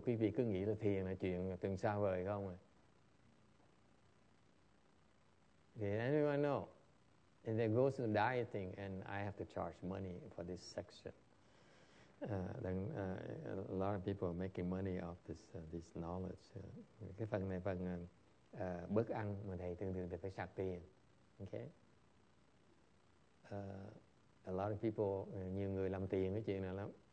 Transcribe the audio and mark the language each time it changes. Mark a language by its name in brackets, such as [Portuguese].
[Vietnamese] Quý vị cứ nghĩ là thiền là chuyện từng xa vời không? [English] Did anyone know? And then goes to the dieting and I have to charge money for this section. Then a lot of people are making money off this knowledge. [Vietnamese] Cái phần này phần bớt ăn mà thầy thường thường thì phải sạc tiền. Okay? [English] A lot of people, [Vietnamese] nhiều người làm tiền cái chuyện này lắm.